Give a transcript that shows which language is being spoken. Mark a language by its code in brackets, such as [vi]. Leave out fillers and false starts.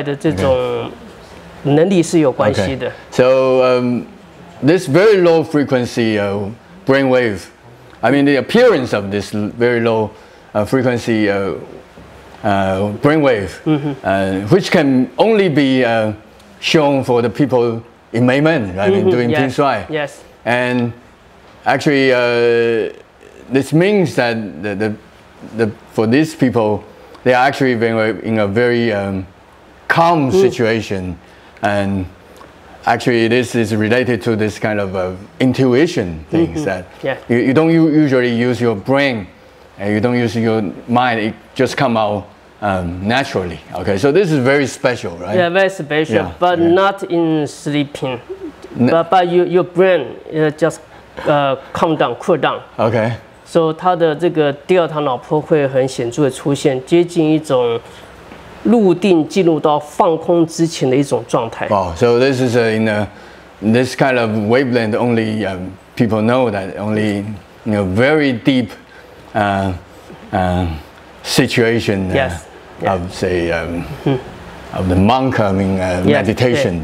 [zh] 还有一些像是超越第六感以外的这种能力是有关系的. [en] Okay. So this very low frequency brain wave. I mean, the appearance of this very low frequency brainwave, mm-hmm. Which can only be shown for the people in Meimen, right? Mm-hmm. I mean, doing yes. Pingshuai. Yes. And actually, this means that the for these people, they are actually in a very calm mm-hmm. situation. And actually, this is related to this kind of intuition things mm-hmm. that yeah. you don't usually use your brain and you don't use your mind, it just come out naturally. Okay, so this is very special, right? Yeah, very special, yeah. but yeah. not in sleeping. But your brain just calm down, cool down. Okay. [zh] So, 它的这个第二堂脑波会很显著的出现，接近一种 入定进入到放空之前的一种状态 [en] wow, so this is in this kind of wavelength only people know that only in a very deep situation yes, yes. of say mm-hmm. of the monk I mean yes, meditation